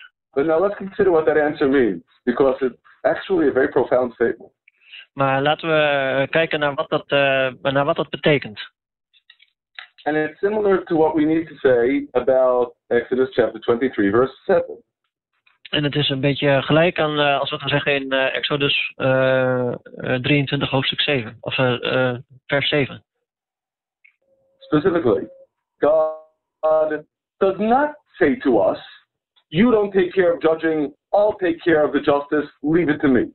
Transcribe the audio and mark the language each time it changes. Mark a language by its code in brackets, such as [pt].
[en] But now let's consider what that answer means, because it's actually a very profound statement. [nl] Maar laten we kijken naar wat dat betekent. [en] And it's similar to what we need to say about Exodus chapter 23, verse 7. [nl] En het is een beetje gelijk aan als we gaan zeggen in Exodus 23, hoofdstuk 7, of vers 7. [en] Specifically, God does not say to us, you don't take care of judging, I'll take care of the justice, leave it to me.